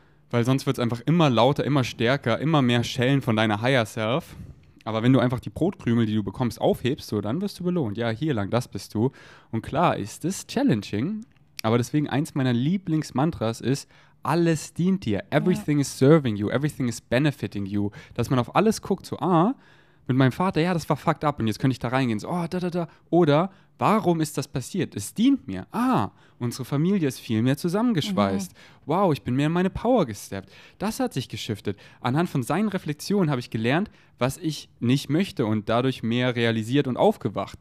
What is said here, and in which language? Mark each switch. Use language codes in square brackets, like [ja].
[de] Weil sonst wird es einfach immer lauter, immer stärker, immer mehr Schellen von deiner Higher Self. Aber wenn du einfach die Brotkrümel, die du bekommst, aufhebst, so, dann wirst du belohnt. Ja, hier lang, das bist du. Und klar ist es challenging, aber deswegen eins meiner Lieblingsmantras ist, alles dient dir. [en] Everything is serving you. Everything is benefiting you. [de] Dass man auf alles guckt, so, mit meinem Vater, ja, das war fucked up und jetzt könnte ich da reingehen, so, oder, warum ist das passiert? Es dient mir. Unsere Familie ist viel mehr zusammengeschweißt. Wow, ich bin mehr in meine Power gesteppt. Das hat sich geschiftet. Anhand von seinen Reflexionen habe ich gelernt, was ich nicht möchte, und dadurch mehr realisiert und aufgewacht.